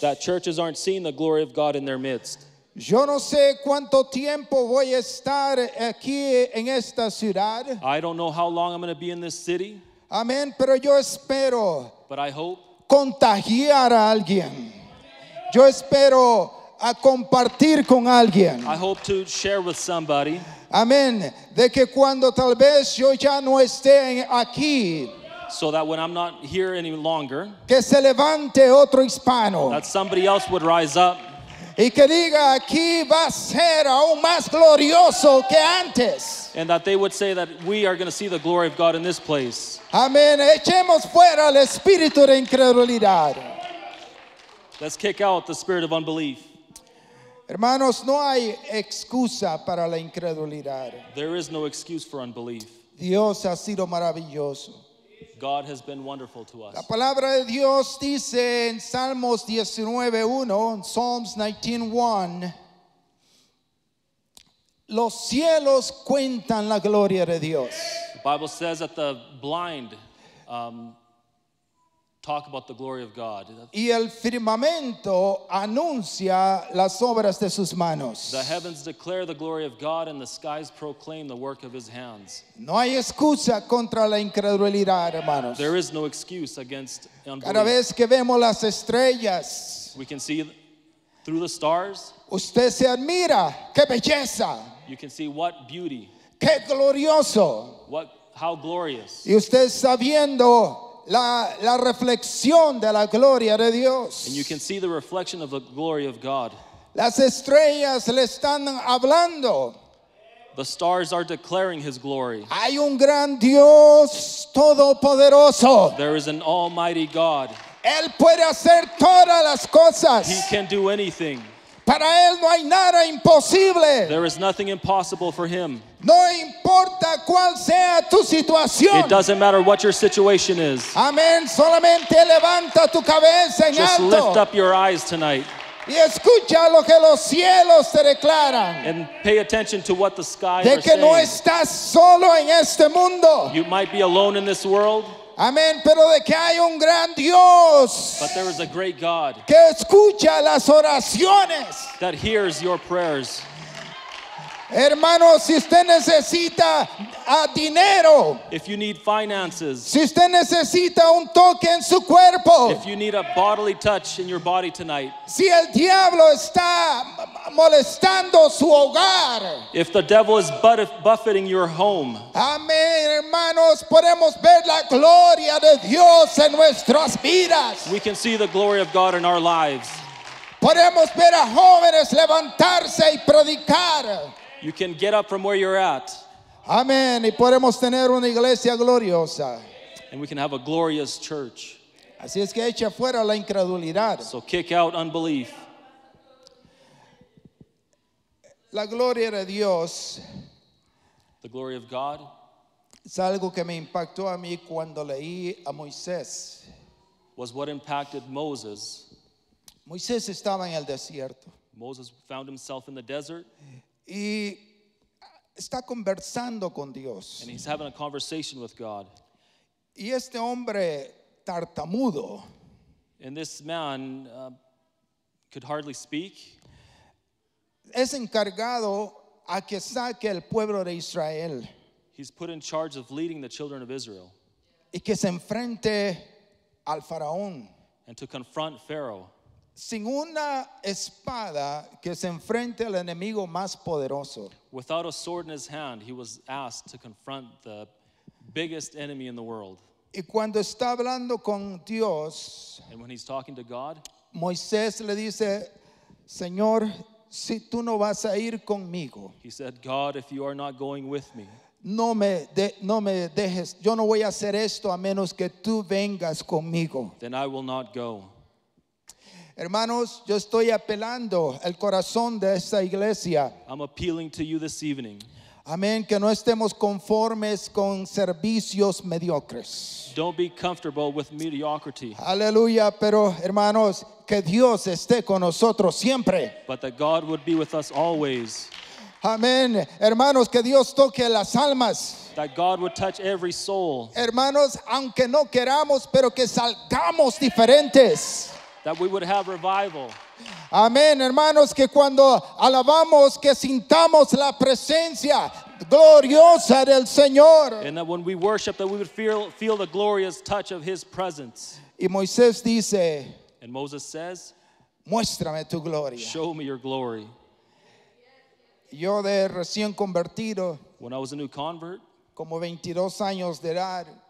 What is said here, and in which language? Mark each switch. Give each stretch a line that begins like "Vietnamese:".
English: That churches aren't seeing the glory of God in their midst.
Spanish: Yo no sé cuánto tiempo voy a estar aquí en esta ciudad.
English: I don't know how long I'm going to be in this city.
Spanish: Amén, pero yo espero.
English: But I hope.
Spanish: Contagiar a alguien. Yo espero a compartir con alguien.
English: I hope to share with somebody.
Spanish: Amén. De que cuando tal vez yo ya no esté aquí.
English: So that when I'm not here any longer.
Spanish: Que se levante otro hispano.
English: That somebody else would rise up.
Spanish: Y que diga, aquí va a ser aún más glorioso que antes.
English: And that they would say that we are going to see the glory of God in this place.
Spanish: Amén. Echemos fuera el espíritu de incredulidad.
English: Let's kick out the spirit of unbelief.
Spanish: Hermanos, no hay excusa para la incredulidad.
English: There is no excuse for unbelief.
Spanish: Dios ha sido maravilloso.
English: God has been wonderful to us.
Spanish: La palabra de Dios dice en Salmos 19:1, en Psalms 19:1, los cielos cuentan la gloria de Dios.
English: The Bible says that the blind talk about the glory of God.
Spanish: Y el firmamento anuncia las obras de sus manos.
English: The heavens declare the glory of God and the skies proclaim the work of his hands.
Spanish: No hay excusa contra la incredulidad, hermanos.
English: There is no excuse against unbelief.
Spanish: Cada vez que vemos las estrellas,
English: we can see through the stars.
Spanish: Usted se admira, qué belleza.
English: You can see what beauty.
Spanish: Qué glorioso.
English: What, how glorious.
Spanish: Y usted sabiendo La reflexión de la gloria de Dios.
English: And you can see the reflection of the glory of God.
Spanish: Las estrellas le están hablando.
English: The stars are declaring his glory.
Spanish: Hay un gran Dios todopoderoso.
English: There is an almighty God.
Spanish: Él puede hacer todas las cosas.
English: He can do anything.
Spanish: Para él no hay nada imposible.
English: There is nothing impossible for him.
Spanish: No importa cuál sea tu situación.
English: It doesn't matter what your situation is.
Spanish: Amén. Solamente levanta tu cabeza en
English: Just
Spanish: alto.
English: Just lift up your eyes tonight.
Spanish: Y escucha lo que los cielos te declaran.
English: And pay attention to what the sky
Spanish: De
English: are
Spanish: que
English: saying.
Spanish: No estás solo en este mundo.
English: You might be alone in this world.
Spanish: Amén, pero de que hay un gran Dios.
English: But there is a great God.
Spanish: Que escucha las oraciones.
English: That hears your prayers.
Spanish: Hermano, si usted necesita dinero.
English: If you need finances.
Spanish: Si usted necesita un toque en su cuerpo.
English: If you need a bodily touch in your body tonight.
Spanish: Si el diablo está molestando su hogar.
English: If the devil is buffeting your home.
Spanish: Amén, hermanos, podemos ver la gloria de Dios en nuestras vidas.
English: We can see the glory of God in our lives.
Spanish: Podemos ver a jóvenes levantarse y predicar.
English: You can get up from where you're at.
Spanish: Amen. Y podemos tener una iglesia gloriosa.
English: And we can have a glorious church.
Spanish: Así es que echa fuera la incredulidad.
English: So kick out unbelief.
Spanish: La gloria de Dios.
English: The glory of God.
Spanish: Es algo que me impactó a mí cuando leí a Moisés.
English: Was what impacted Moses.
Spanish: Moisés estaba en el desierto.
English: Moses found himself in the desert.
Spanish: Y está conversando con Dios.
English: And he's having a conversation with God.
Spanish: Y este hombre tartamudo.
English: And this man could hardly speak.
Spanish: Es encargado a que saque el pueblo de Israel.
English: He's put in charge of leading the children of Israel.
Spanish: Y que se enfrente al faraón.
English: And to confront Pharaoh.
Spanish: Sin una espada que se enfrente al enemigo más poderoso.
English: Without a sword in his hand, he was asked to confront the biggest enemy in the world.
Spanish: Y cuando está hablando con Dios,
English: and when he's talking to God,
Spanish: Moisés le dice, Señor, si tú no vas a ir conmigo,
English: he said, God, if you are not going with me,
Spanish: no me dejes, yo no voy a hacer esto a menos que tú vengas conmigo.
English: Then I will not go.
Spanish: Hermanos, yo estoy apelando al corazón de esta iglesia.
English: I'm appealing to you this evening.
Spanish: Amén, que no estemos conformes con servicios mediocres.
English: Don't be comfortable with mediocrity.
Spanish: Aleluya, pero hermanos, que Dios esté con nosotros siempre.
English: But that God would be with us always.
Spanish: Amén, hermanos, que Dios toque las almas.
English: That God would touch every soul.
Spanish: Hermanos, aunque no queramos, pero que salgamos diferentes.
English: That we would have revival.
Spanish: Amén, hermanos, que cuando alabamos, que sintamos la presencia gloriosa del Señor.
English: And that when we worship, that we would feel the glorious touch of His presence.
Spanish: Y Moisés dice,
English: and Moses says,
Spanish: muéstrame tu gloria.
English: Show me your glory.
Spanish: Yo de recién convertido,
English: when I was a new convert,
Spanish: como 22 años de edad,